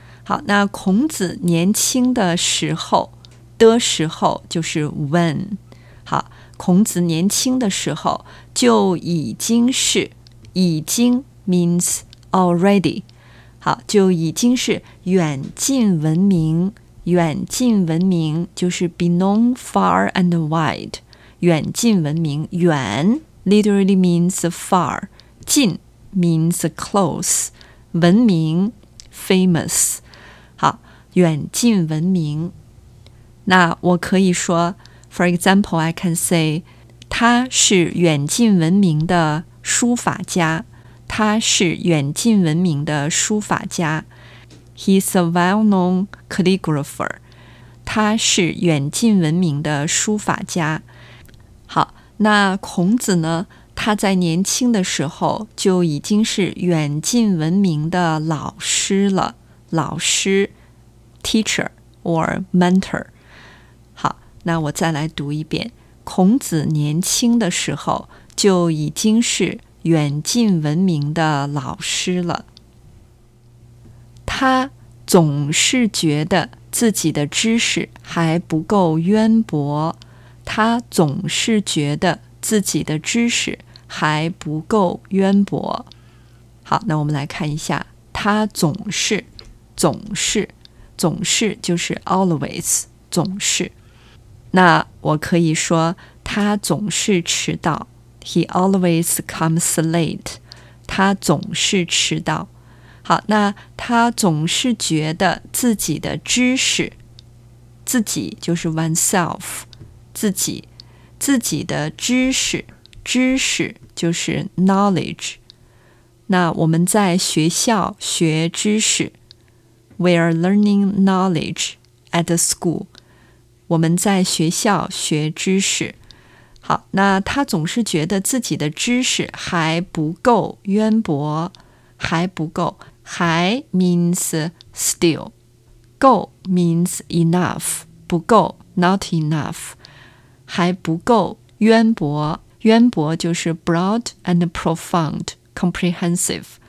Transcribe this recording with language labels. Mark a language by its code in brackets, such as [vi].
[zh] 好，那孔子年轻的时候的时候就是 when。好，孔子年轻的时候就已经是，已经 means already。好，就已经是远近闻名。远近闻名就是 [en] be known far and wide。 [zh] 远近闻名，远 [en] literally means far， [zh] 近 [en] means close， [zh] 闻名 famous。好，远近闻名。那我可以说 [en] For example, I can say, [zh] 他是远近闻名的书法家。他是远近闻名的书法家。 [en] He's a well-known calligrapher. [zh] 他是远近闻名的书法家。好，那孔子呢？他在年轻的时候就已经是远近闻名的老师了。老师 , [en] teacher or mentor。 [zh] 那我再来读一遍，孔子年轻的时候就已经是远近闻名的老师了。他总是觉得自己的知识还不够渊博，他总是觉得自己的知识还不够渊博。好，那我们来看一下，他总是，总是，总是就是 always， 总是。那我可以说他总是迟到。 [en] He always comes late. [zh] 他总是迟到。好，那他总是觉得自己的知识，自己就是 oneself， 自己，自己的知识，知识就是 knowledge。那我们在学校学知识。 [en] We are learning knowledge at the school. [zh] 我们在学校学知识。好，那他总是觉得自己的知识还不够渊博，还不够。还 [en] means still， [zh] 够 [en] means enough， [zh] 不够 [en] not enough， [zh] 还不够渊博。渊博就是 [en] broad and profound， comprehensive。